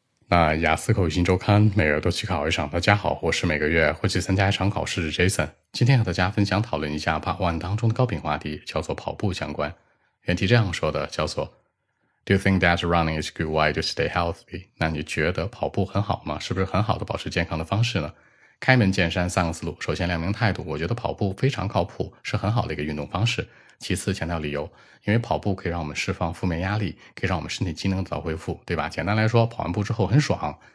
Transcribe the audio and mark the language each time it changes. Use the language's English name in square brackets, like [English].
[Chinese] 那雅思口语新周刊每个月都去考一场。大家好，我是每个月会去参加一场考试的 Jason。今天和大家分享讨论一下 Part 1当中的高频话题，叫做跑步相关。原题这样说的，叫做 [English] Do you think that running is a good way to stay healthy? [Chinese] 那你觉得跑步很好吗？是不是很好的保持健康的方式呢？开门见山三个思路，首先亮明态度，我觉得跑步非常靠谱，是很好的一个运动方式。其次强调理由，因为跑步可以让我们释放负面压力，可以让我们身体机能早恢复，对吧？简单来说，跑完步之后很爽。